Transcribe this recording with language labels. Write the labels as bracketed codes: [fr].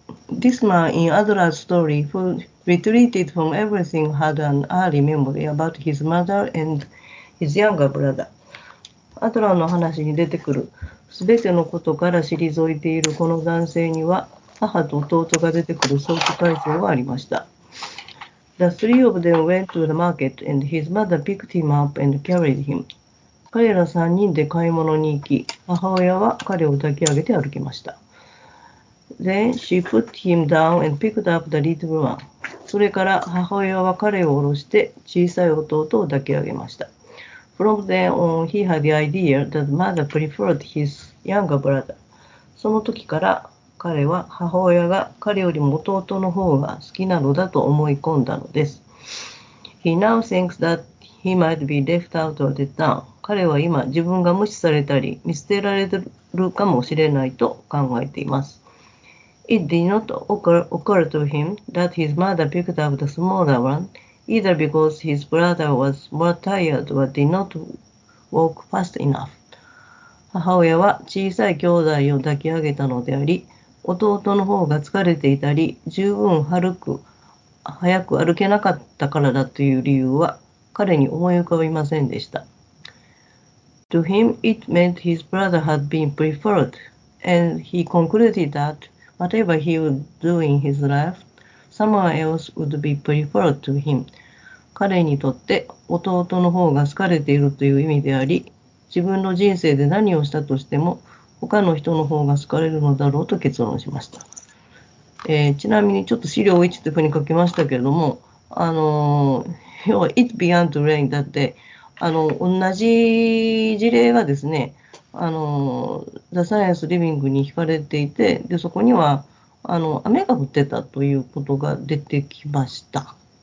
[en] This man in Adler's story, who retreated from everything, had an early memory about his mother and his younger brother. [ja] アドラーの話に出てくる、すべてのことから退いているこの男性には、母と弟が出てくる早期回想がありました。 [en] The three of them went to the market, and his mother picked him up and carried him. [ja] 彼ら3人で買い物に行き、母親は彼を抱き上げて歩きました。 [en] Then she put him down and picked up the little one. [ja] それから母親は彼を下ろして小さい弟を抱き上げました。 [en] From then on, he had the idea that mother preferred his younger brother. [ja] その時から彼は母親が彼よりも弟の方が好きなのだと思い込んだのです。 [en] He now thinks that he might be left out of the town. [ja] 彼は今自分が無視されたり見捨てられるかもしれないと考えています。 [en] It did not occur to him that his mother picked up the smaller one, either because his brother was more tired or did not walk fast enough. [ja] 母親は小さい兄弟を抱き上げたのであり、弟の方が疲れていたり、十分早く歩けなかったからだという理由は彼に思い浮かびませんでした。 [en] To him, it meant his brother had been preferred, and he concluded that whatever he would do in his life, someone else would be preferred to him. [ja] 彼にとって弟の方が疲れているという意味であり、自分の人生で何をしたとしても、他の人の方が好かれるのだろうと結論しました。ちなみにちょっと資料1というふうに書きましたけれども、要は [en] It began to rain [ja] だって、同じ事例がですね、The Science Living に惹かれていて、で、そこには雨が降ってたということが出てきました。